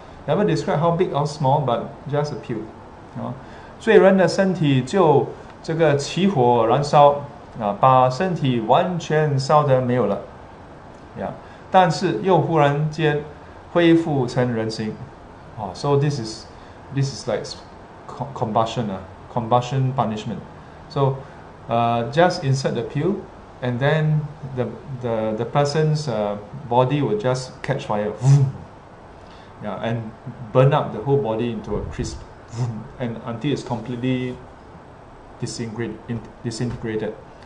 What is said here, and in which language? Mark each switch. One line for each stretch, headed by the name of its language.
English: Never describe how big or small, but just a pill. Yeah.
Chinese: 罪人的身体就这个起火燃烧, 把身体完全烧得没有了, yeah. 但是又忽然间恢复成人形, oh,
English: so this is like combustion, combustion punishment. So just insert the pill, and then the person's body will just catch fire, yeah, and burn up the whole body into a crisp, and until it's completely disintegrated.